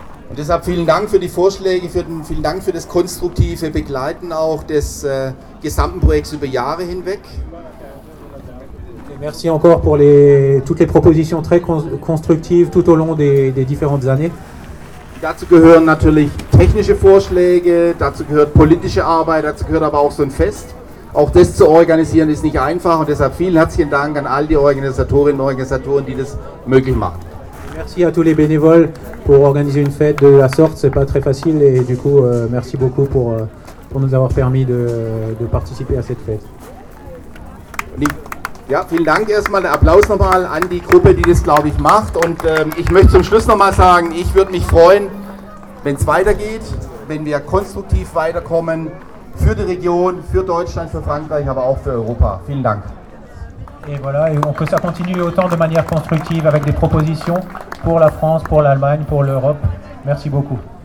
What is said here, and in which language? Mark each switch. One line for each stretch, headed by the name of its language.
German: Und deshalb vielen Dank für die Vorschläge, vielen Dank für das konstruktive Begleiten auch des gesamten Projekts über Jahre hinweg.
French: Merci encore pour toutes les propositions très constructives tout au long des différentes années.
German: Dazu gehören natürlich technische Vorschläge, dazu gehört politische Arbeit, dazu gehört aber auch so ein Fest. Auch das zu organisieren ist nicht einfach und deshalb vielen herzlichen Dank an all die Organisatorinnen und Organisatoren, die das möglich machen.
French: Merci à tous les bénévoles pour organiser une fête de la sorte, c'est pas très facile et du coup merci beaucoup pour nous avoir permis de participer à cette fête.
German: Ja, vielen Dank erstmal. Ein Applaus nochmal an die Gruppe, die das, glaube ich, macht. Und ich möchte zum Schluss nochmal sagen, ich würde mich freuen, wenn es weitergeht, wenn wir konstruktiv weiterkommen für die Region, für Deutschland, für Frankreich, aber auch für Europa. Vielen Dank.
French: Et voilà, et que ça continue autant de manière constructive avec des propositions pour la France, pour l'Allemagne, pour l'Europe. Merci beaucoup.